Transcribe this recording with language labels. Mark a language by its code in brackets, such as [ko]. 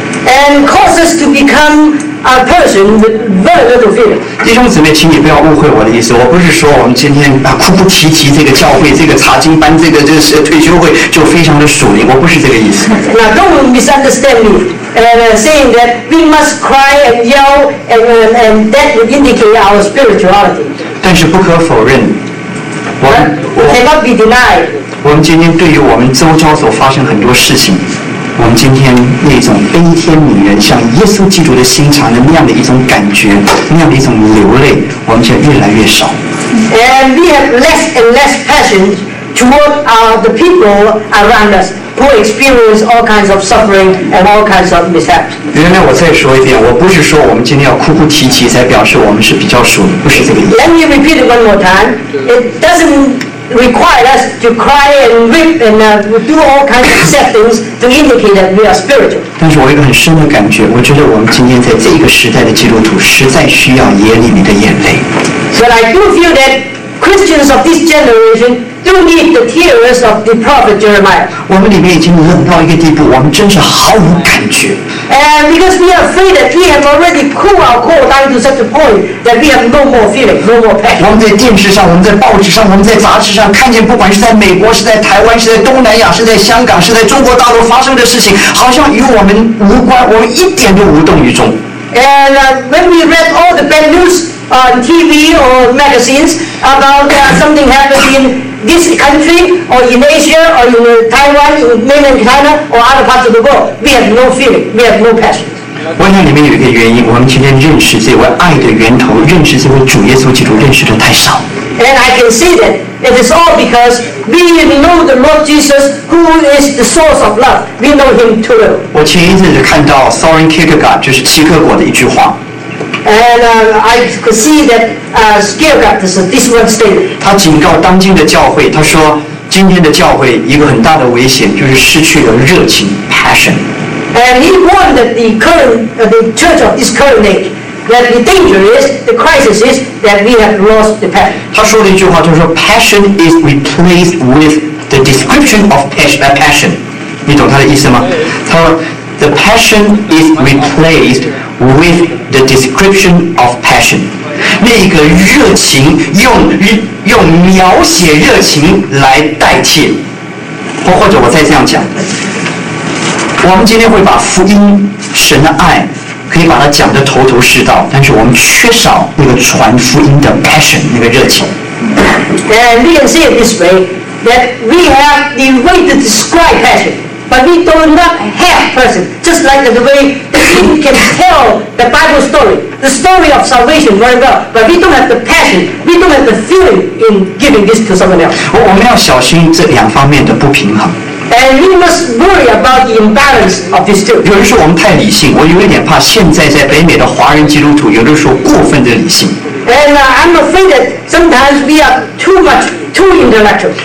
[en] And causes to become a person with very little feeling. [zh] 弟兄姊妹，请你不要误会我的意思。我不是说我们今天啊哭哭啼啼这个教会、这个查经班、这个退休会就非常的属灵。我不是这个意思。 [en] Now don't misunderstand me, saying that we must cry and yell and that would indicate our spirituality. [zh] 但是不可否认，我 [en] cannot be denied. [zh] 我们今天对于我们周遭所发生很多事情。我们今天那种悲天悯人像耶稣基督的心肠的那样的一种感觉，那样的一种流泪，我们现在越来越少。 [en] And we have less and less passion toward the people around us who experience all kinds of suffering and all kinds of mishaps. [zh] 原来我再说一遍，我不是说我们今天要哭哭啼啼才表示我们是比较属灵，不是这个意思。 [en] Let me repeat it one more time. It doesn't require us to cry and weep and do all kinds of sad things to indicate that we are spiritual. [zh] 但是我有一个很深的感觉，我觉得我们今天在这一个时代的基督徒实在需要耶利米的眼泪。 [en] So I do feel that Christians of this generation do need the tears of the prophet Jeremiah. [zh] 我们里面已经冷到一个地步，我们真是毫无感觉。 [en] And because we are afraid that we have already cooled our core down to such a point that we have no more feeling, no more passion. [zh] 我们在电视上，我们在报纸上，我们在杂志上看见，不管是在美国，是在台湾，是在东南亚，是在香港，是在中国大陆发生的事情，好像与我们无关，我们一点都无动于衷。 [en] And when we read all the bad news on TV or magazines about something happened in this country or in Asia or in Taiwan, in mainland China or other parts of the world, we have no feeling, we have no passion. [zh] 我想里面有一个原因，我们今天认识这位爱的源头，认识这位主耶稣基督，认识的太少。 [en] And I can see that it is all because we know the Lord Jesus, who is the source of love. We know Him too well. [zh] 我前一阵子看到 Soren Kierkegaard 就是齐克果的一句话。 [en] And I could see that Kierkegaard is this one statement. [zh] 他警告当今的教会，他说今天的教会一个很大的危险就是失去了热情 passion. [en] And he warned that the church of this current age. That the danger is, the crisis is that we have lost the passion. [zh] 他说了一句话，就是说 [en] passion is replaced with the description of passion. [zh] 你懂他的意思吗？他说 [en] the passion is replaced with the description of passion. [zh] 那个热情用描写热情来代替。或者我再这样讲，我们今天会把福音神的爱。可以把它讲得头头是道，但是我们缺少那个传福音的 passion， 那个热情。 [en] And we can say it this way, that we have the way to describe passion, but we do not have passion. Just like the way we can tell the Bible story, the story of salvation very well, but we don't have the passion, we don't have the feeling in giving this to someone else. [zh] 我们要小心这两方面的不平衡。 [en] And we must worry about the imbalance of these two. [zh] 有人说我们太理性，我有一点怕现在在北美的华人基督徒有的时候过分的理性。 [en] And I'm afraid that sometimes we are too much, too intellectual.